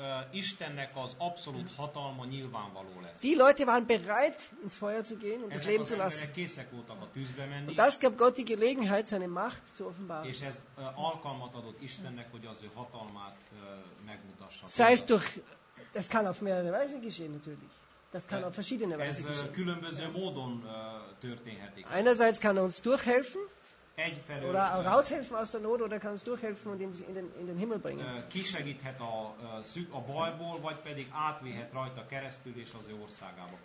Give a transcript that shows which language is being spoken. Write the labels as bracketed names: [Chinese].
[Hungarian] Istennek az abszolút hatalma nyilvánvaló lesz. [German] Die Leute waren bereit, ins Feuer zu gehen und das Leben zu lassen. [Hungarian] Készek voltak a tűzbe menni. [German] Und das gab Gott die Gelegenheit, seine Macht zu offenbaren. [Hungarian] És ez alkalmat adott Istennek, hogy az ő hatalmát megmutassa. [German] Sei es durch, das kann auf mehrere Weise geschehen natürlich. Das kann auf verschiedene Weise geschehen. [Hungarian] Ez különböző módon történhetik. [German] Einerseits kann er uns durchhelfen. [Hungarian] Egyfelől, [German] oder auch raushelfen aus der Not oder kannst durchhelfen und in den Himmel bringen. [Hungarian] Kisegíthet a bajból, vagy pedig átvihet rajta keresztül és az ő országába.